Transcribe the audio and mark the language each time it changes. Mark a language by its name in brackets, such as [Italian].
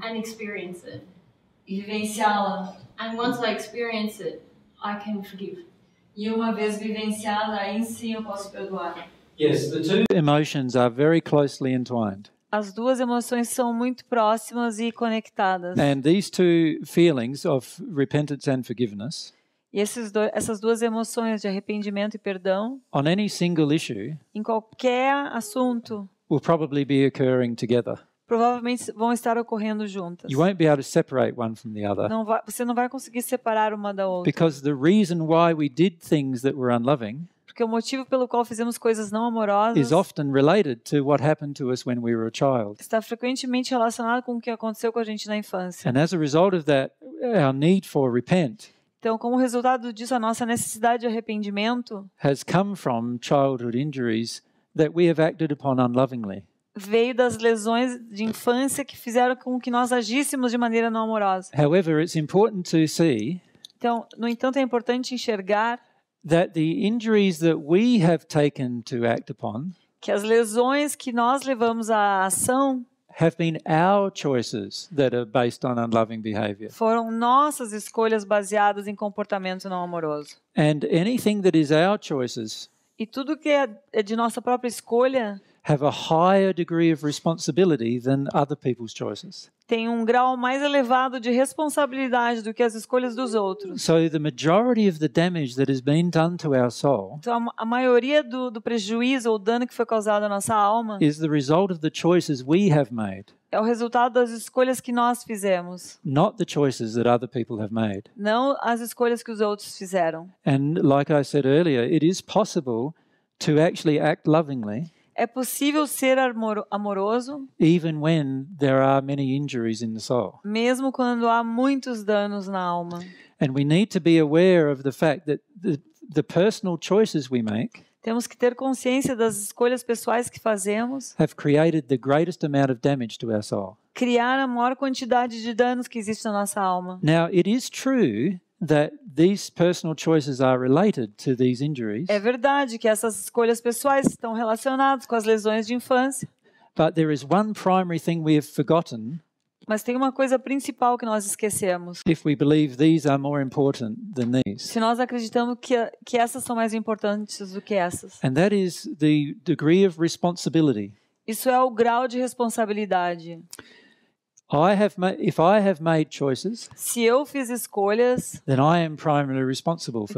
[English] And experience it. [Portuguese] E vivenciá-la. [English] And once I experience it, I can forgive. [Portuguese] E uma vez vivenciada, aí sim eu posso perdoar. [English] Yes, the two emotions are very closely entwined. [Portuguese] As duas emoções são muito próximas e conectadas. [English] And these two feelings of repentance and forgiveness. [Portuguese] E essas duas emoções de arrependimento e perdão. [English] On any single issue. [Portuguese] Em qualquer assunto. [English] Will probably be occurring together. [Portuguese] Provavelmente vão estar ocorrendo juntas. [English] You won't be able to separate one from the other. [Portuguese] Você não vai conseguir separar uma da outra. [English] Because the reason why we did things that were unloving. [Portuguese] Porque o motivo pelo qual fizemos coisas não amorosas [English] is often related to what happened to us when we were a child. [Portuguese] Está frequentemente relacionado com o que aconteceu com a gente na infância. [English] And as a result of that, our need for repent. [Portuguese] Então, como resultado disso, a nossa necessidade de arrependimento [English] has come from childhood injuries that we have acted upon unlovingly. [Portuguese] Veio das lesões de infância que fizeram com que nós agíssemos de maneira não amorosa. [English] However, it's important to see. [Portuguese] Então, no entanto, é importante enxergar [English] that the injuries that we have taken to act upon, [Portuguese] que as lesões que nós levamos à ação, [English] have been our choices that are based on unloving behavior. [Portuguese] Foram nossas escolhas baseadas em comportamento não amoroso. [English] And anything that is our choices, [Portuguese] e tudo que é de nossa própria escolha, [English] have a higher degree of responsibility than other people's choices. [Portuguese] Tem um grau mais elevado de responsabilidade do que as escolhas dos outros. [English] So the majority of the damage that has been done to our soul. [Portuguese] Então a maioria do prejuízo ou dano que foi causado à nossa alma [English] is the result of the choices we have made. [Portuguese] É o resultado das escolhas que nós fizemos. [English] Not the choices that other people have made. [Portuguese] Não as escolhas que os outros fizeram. [English] And like I said earlier, it is possible to actually act lovingly. [Portuguese] É possível ser amoroso [English] even when there are many injuries in the soul. [Portuguese] Mesmo quando há muitos danos na alma. [English] And we need to be aware of the fact that the personal choices we make. [Portuguese] Temos que ter consciência das escolhas pessoais que fazemos. [English] Have created the greatest amount of damage to our soul. [Portuguese] Criar a maior quantidade de danos que existe na nossa alma. [English] Now it is true that these personal choices are related to these injuries. [Portuguese] É verdade que essas escolhas pessoais estão relacionadas com as lesões de infância. [English] But there is one primary thing we have forgotten. [Portuguese] Mas tem uma coisa principal que nós esquecemos. [English] If we believe these are more important than these. [Portuguese] Se nós acreditamos que essas são mais importantes do que essas. [English] And that is the degree of responsibility. [Portuguese] Isso é o grau de responsabilidade. [English] If I have made choices, [Portuguese] se eu fiz escolhas, [English] then I am primarily responsible for